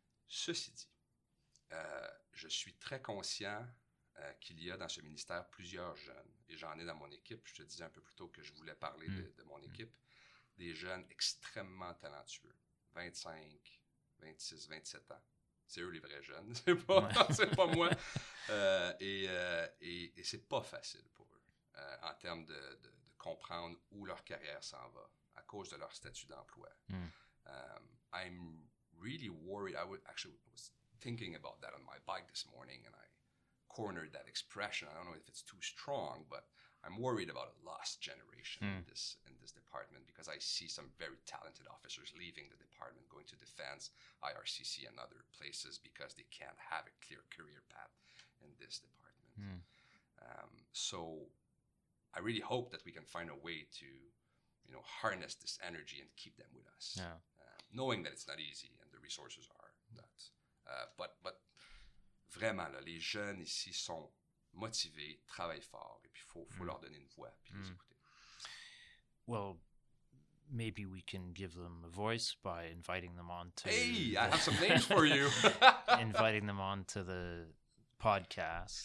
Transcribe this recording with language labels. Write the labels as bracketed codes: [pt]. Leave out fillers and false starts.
[fr] Ceci dit, je suis très conscient qu'il y a dans ce ministère plusieurs jeunes, et j'en ai dans mon équipe, je te disais un peu plus tôt que je voulais parler de mon équipe, des jeunes extrêmement talentueux, 25, 26, 27 ans. C'est eux les vrais jeunes, c'est pas moi. Et c'est pas facile pour eux en termes de comprendre où leur carrière s'en va à cause de leur statut d'emploi. [en] I'm really worried. I was thinking about that on my bike this morning and I cornered that expression. I don't know if it's too strong, but I'm worried about a lost generation in this department because I see some very talented officers leaving the department, going to defense, IRCC, and other places because they can't have a clear career path in this department. So I really hope that we can find a way to, you know, harness this energy and keep them with us, knowing that it's not easy and the resources are not. [fr] But vraiment, là, les jeunes ici sont motivés, travaillent fort, et puis il faut leur donner une voix, puis les écouter. [en] Well, maybe we can give them a voice by inviting them on to... Hey, I have some names for you! Inviting them on to the podcast.